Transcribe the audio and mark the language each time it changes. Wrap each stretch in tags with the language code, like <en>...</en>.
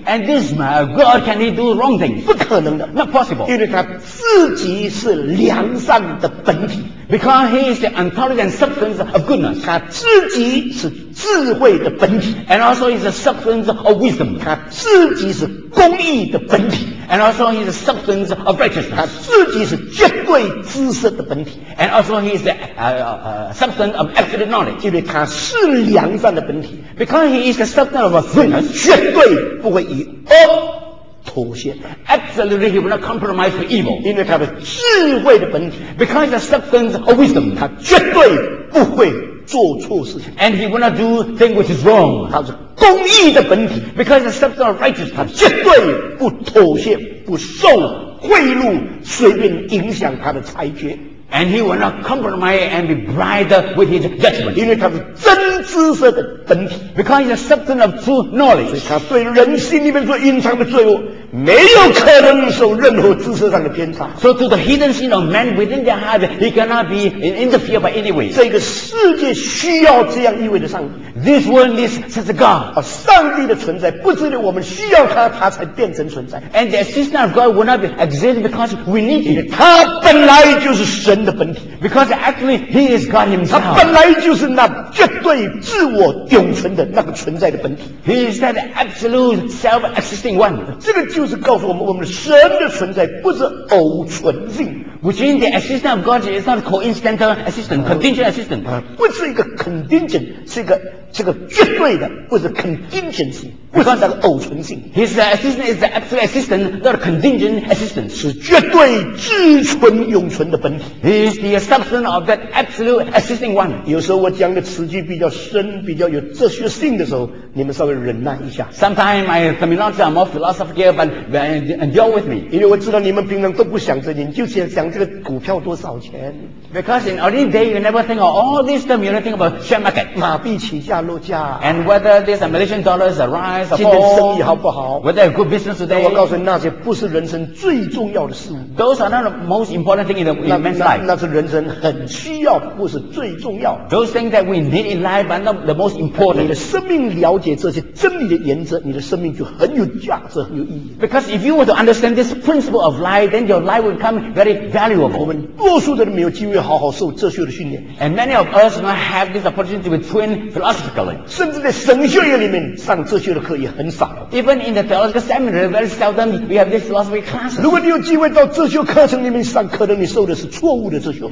<en>？And this man, God, can he do wrong things?</en> <zh>不可能的</zh> <en>，not possible.</en> <zh>因为他自己是良善的本体</zh> <en>，because he is the ontology and substance of goodness.</en> <zh>他自己是智慧的本体</zh> <en>，and also is the substance of wisdom.</en> <zh>他自己是公义的本体</zh> <en>，and also is the substance of righteousness.</en> <zh>他自己是绝对知识的本体</zh> <en>，and also he is the substance of absolute knowledge.</en> <zh>因为他是良善的本体</zh> <en>，because he is the substance. Of a sinner,</en> <zh>绝对不会以恶妥协</zh> <en>Absolutely, he will not compromise for evil.</en> <zh>因为他的智慧的本体</zh> <en>Because the substance of wisdom,</en> <zh>他绝对不会做错事情</zh> <en>And he will not do things which is wrong.</en> <zh>他是公义的本体</zh> <en>Because the substance of righteousness,</en> <zh>他绝对不妥协不受贿赂随便影响他的裁决</zh> <en>And he will not compromise and be bribed with his judgment.</en> <zh>因为他是真知识的本体</zh> <en>Because he's a substance of true knowledge.</en> <zh>所以他对人心里面所隐藏的罪恶没有可能受任何知识上的偏差</zh> <en>So to the hidden sin of man within their heart, he cannot be interfered by any way.</en> <zh>这个世界需要这样一位的上帝</zh> <en>This world needs such a God.</en> <zh>上帝的存在不是因为我们需要他，他才变成存在</zh> <en>And the existence of God will not be exist because we need him.</en> <zh>他本来就是神人的本体</zh> <en>，because actually he is God himself.</en> <zh>他本来就是那绝对自我永存的那个存在的本体。</zh> <en>He is that absolute self-existing one.</en> <zh>这个就就是告诉我们，我们的神的存在不是偶存性。</zh> <en>Which means the assistance of God is not coincidental assistance, contingent assistance.</en> <zh>不是一个 contingent, 是一个这个绝对的，不是 contingency, 不是那个偶存性。</zh> <en>His assistance is the absolute assistance, not contingent assistance.</en> <zh>是绝对至存永存的本体。</zh> <en>He is the substance of that absolute assisting one.</en> <zh>有时候我讲的词句比较深，比较有哲学性的时候，你们稍微忍耐一下。</zh> <en>Sometimes my terminology is more philosophical, but deal with me.</en> <zh>因为我知道你们平常都不想这些，你就先想这个股票多少钱。</zh> <en>Because in ordinary day, you never think of all this term, you never think about share market.</en> <zh>马币起价落价。</zh> <en>And whether this Malaysian dollars arise or fall.</en> <zh>今天生意好不好。</zh> <en>Whether a good business today.</en> <zh>我告诉你，那些不是人生最重要的事物。</zh> <en>Those are not the most important thing in man's life.</en> <zh>那是人生很需要，不是最重要。</zh> <en>Those things that we need in life, but not the most important.</en> <zh>你的生命了解这些真理的原则，你的生命就很有价值，很有意义。</zh> <en>Because if you were to understand this principle of life, then your life will become very valuable.</en> <zh>我们多数的人没有机会好好受哲学的训练。</zh> <en>And many of us not have this opportunity to be trained philosophically.</en> <zh>甚至在神学院里面上哲学的课也很少。</zh> <en>Even in the theological seminary, very seldom we have this philosophy class.</en> <zh>如果你有机会到哲学课程里面上，可能你受的是错误的哲学。</zh>